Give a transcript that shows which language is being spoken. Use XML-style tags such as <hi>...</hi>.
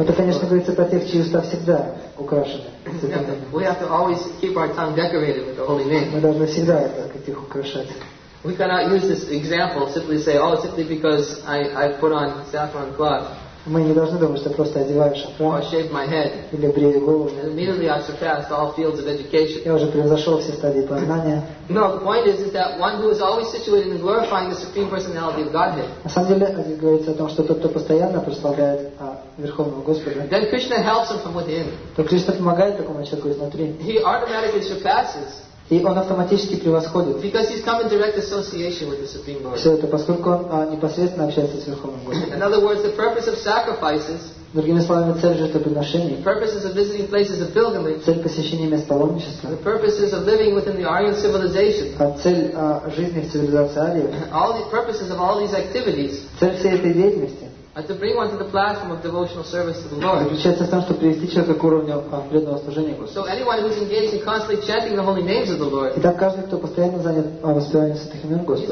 <ru>Это, конечно, говорится про тех, чьи уста всегда украшены.</ru> <en>We have to always keep our tongue decorated with the holy name.</en> <ru>Мы должны всегда их украшать.</ru> <en>We cannot use this example simply say, oh, simply because I put on saffron cloth.</en> <ru>Мы не должны думать, что просто одеваю шафран.</ru> <en>Or shave my head.</en> <ru>Или брею голову.</ru> <en>And immediately I surpassed all fields of education.</en> <ru>Я уже превзошел все стадии познания.</ru> <en>No, the point is that one who is always situated in glorifying the supreme personality of Godhead.</en> <ru>На самом деле здесь говорится о том, что тот, кто постоянно прославляет Верховного Господа.</ru> <en>Then Krishna helps him from within.</en> <ru>То Кришна помогает такому человеку изнутри.</ru> <en>He automatically surpasses.</en> <ru>И он автоматически превосходит.</ru> <en>Because he's come in direct association with the Supreme Lord.</en> <ru>Все это поскольку он непосредственно общается с Верховным Господом.</ru> <en>In other words, the purpose of sacrifices.</en> <ru>Другими словами, цель жертвоприношений.</ru> <en>Purposes of visiting places of pilgrimage.</en> <ru>Цель посещения мест паломничества.</ru> <en>The purposes of living within the Aryan civilization.</en> <ru>Цель жизни в цивилизации Арии.</ru> <en>All the purposes of all these activities.</en> <ru>Цель всей этой деятельности.</ru> <en>And to bring one to the platform of devotional service to the Lord.</en> <ru>Заключается в том, чтобы привести человека к уровню преданного служения Господу.</ru> <en>So anyone who is engaged in constantly chanting the holy names of the Lord.</en> <ru>Итак, каждый, кто постоянно занят воспеванием святых имен Господа.</ru>